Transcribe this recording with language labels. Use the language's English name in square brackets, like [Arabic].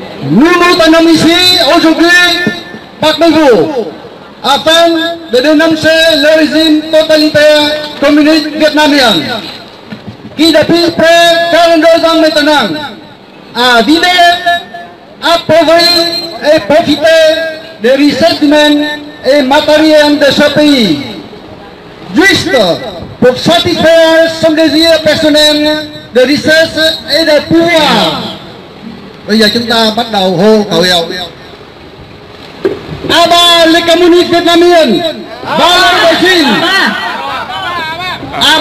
[French] Nous nous tenons ici aujourd'hui parmi vous afin de dénoncer le régime totalitaire communiste vietnamien qui depuis près de 42 ans maintenant a vidé, appauvri et profité des richesses humaines et matérielles de ce pays juste pour satisfaire son désir personnel de richesse et de pouvoir. [Vietnamese] Bây giờ chúng ta bắt đầu hô khẩu hiệu. [French] À ba les communistes vietnamiens, ba la Chine, à